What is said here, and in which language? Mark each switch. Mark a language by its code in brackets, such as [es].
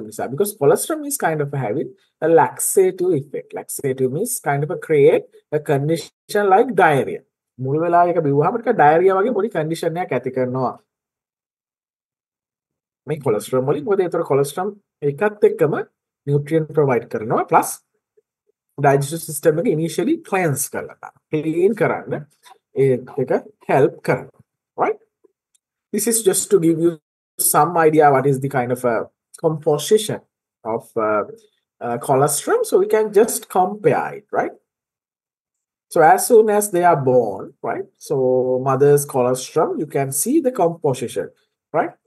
[en] Because colostrum is kind of having a laxative effect. Laxative means kind of a create a condition like diarrhea. [si] මුල් වෙලාවේ එක බිව්වහම එක ඩයරියා වගේ පොඩි condition එකක් ඇති කරනවා. මේ කොලෙස්ටරෝල් වලින් මොකද ඒතර කොලෙස්ටරෝල් එකත් එක්කම නියුට්‍රියන්ට් ප්‍රොවයිඩ් කරනවා ප්ලස් ඩයිජෙස්ටිව් සිස්ටම් එක ඉනිෂියලි ක්ලෙන්ස් කරලා තන. ක්ලීන් කරන්න ඒක හෙල්ප් කරනවා. Right? [en] This is just to give you some idea what is the kind of a composition of colostrum, so we can just compare it, right? So as soon as they are born, right, so mother's colostrum, you can see the composition, right?